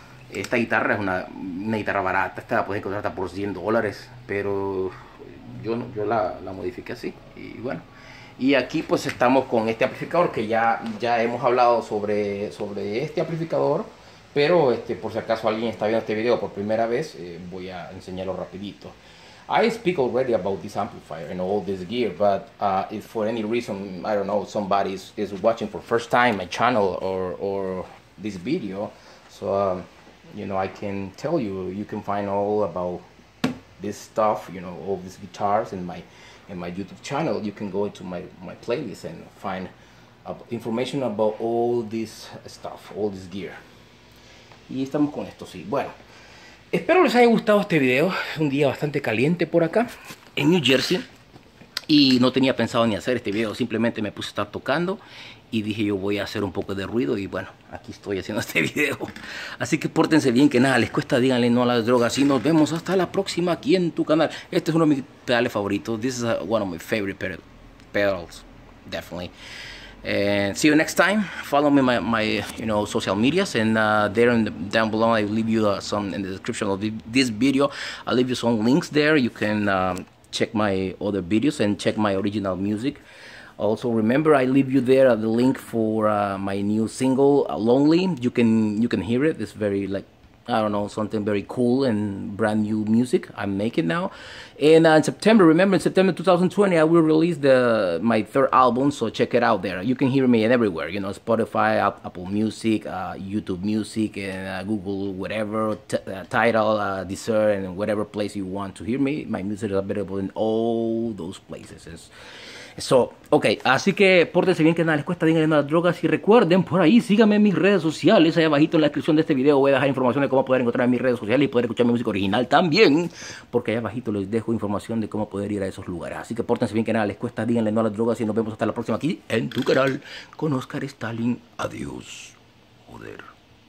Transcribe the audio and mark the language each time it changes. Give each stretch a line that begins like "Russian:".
Spanish: Esta guitarra es una guitarra barata, esta la puedes encontrar hasta por $100, pero yo no, yo la modifiqué así y bueno. Y aquí pues estamos con este amplificador que ya hemos hablado sobre este amplificador, pero por si acaso alguien está viendo este video por primera vez, voy a enseñarlo rapidito.
English: I speak already about this amplifier and all this gear, but if for any reason, I don't know, somebody is watching for first time my channel or this video, so you know, I can tell you, you can find all about this stuff, you know, all these guitars in my YouTube channel. You can go into my playlist and find information about all this stuff, all this gear.
Spanish: Y estamos con esto, sí. Bueno, espero les haya gustado este video. Un día bastante caliente por acá en New Jersey y no tenía pensado ni hacer este video. Simplemente me puse a estar tocando y dije, yo voy a hacer un poco de ruido y bueno, aquí estoy haciendo este video. Así que pórtense bien, que nada les cuesta, díganle no a las drogas y nos vemos hasta la próxima aquí en tu canal. Este es uno de mis pedales favoritos.
English: This is one of my favorite pedals, definitely. And see you next time. Follow me my you know, social medias, and there in the, down below I leave you some in the description of this video. I leave you some links there. You can check my other videos and check my original music. Also remember, I leave you there the link for my new single "Lonely." You can hear it. It's very, like, I don't know, something very cool and brand new music I'm making now. And in September, remember, in September 2020, I will release my third album, so check it out there. You can hear me everywhere, you know, Spotify, Apple Music, YouTube Music, and Google, whatever, Tidal, Deezer, and whatever place you want to hear me. My music is available in all those places. So, okay,
Spanish: así que pórtense bien, que nada les cuesta, díganle no a las drogas. Y recuerden, por ahí, síganme en mis redes sociales. Ahí abajito en la descripción de este video voy a dejar información de cómo poder encontrar en mis redes sociales y poder escuchar mi música original también, porque ahí abajito les dejo información de cómo poder ir a esos lugares. Así que pórtense bien, que nada les cuesta, díganle no a las drogas. Y nos vemos hasta la próxima aquí en tu canal con Oscar Stalin. Adiós, joder.